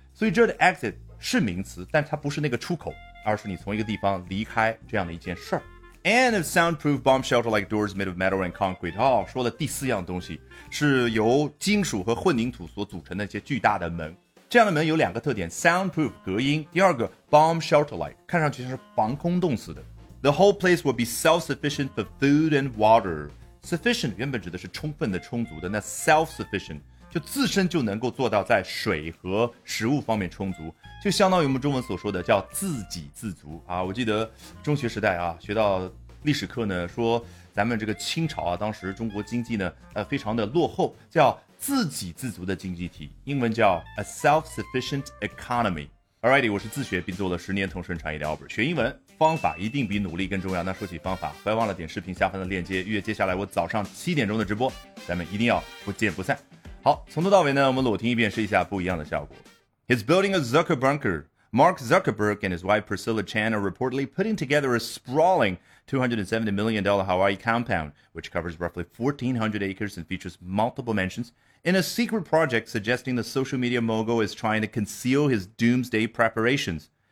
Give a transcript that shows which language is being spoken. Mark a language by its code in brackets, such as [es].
[zh] 所以这的 exit 是名词，但它不是那个出口，而是你从一个地方离开这样的一件事儿。 [en] And a soundproof bomb shelter like doors made of metal and concrete。 [zh] 哦，说的第四样东西是由金属和混凝土所组成的一些巨大的门。这样的门有两个特点， soundproof 隔音，第二个 bomb shelter like 看上去像是防空洞似的。 [en] The whole place will be self-sufficient for food and water。 [zh] Sufficient 原本指的是充分的充足的，那 self-sufficient 就自身就能够做到在水和食物方面充足，就相当于我们中文所说的叫自给自足啊。我记得中学时代啊，学到历史课呢，说咱们这个清朝啊，当时中国经济呢非常的落后，叫自给自足的经济体，英文叫 a self-sufficient economy。 Alrighty， 我是自学并做了10年同声传译的 Albert， 学英文方法一定比努力更重要。那说起方法，不要忘了点视频下方的链接预约接下来我早上7点的直播，咱们一定要不见不散。好，从头到尾呢，我们裸听一遍试一下不一样的效果。 [en] He's building a Zucker bunker， Mark Zuckerberg and his wife Priscilla Chan are reportedly putting together a sprawling $270 million Hawaii compound, which covers roughly 1,400 acres and features multiple mansions, in a secret project suggesting the social media mogul is trying to conceal his doomsday preparations.